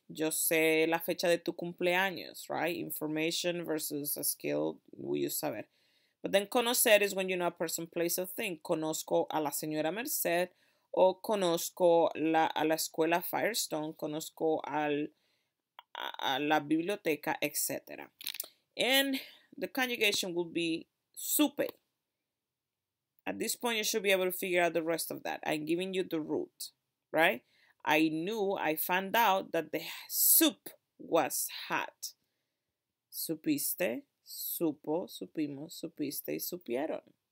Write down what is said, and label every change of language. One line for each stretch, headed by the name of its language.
Spanish: Yo sé la fecha de tu cumpleaños, right?
English: Information versus a skill, we use saber. But then conocer is when you know a person, place, or thing.
Spanish: Conozco a la señora Merced, o conozco a la escuela Firestone, conozco a la biblioteca, etc.
English: And the conjugation will be supe. At this point, you should be able to figure out the rest of that. I'm giving you the root, right? I knew, I found out that the soup was hot. Supiste,
Spanish: supo, supimos, supiste, supieron.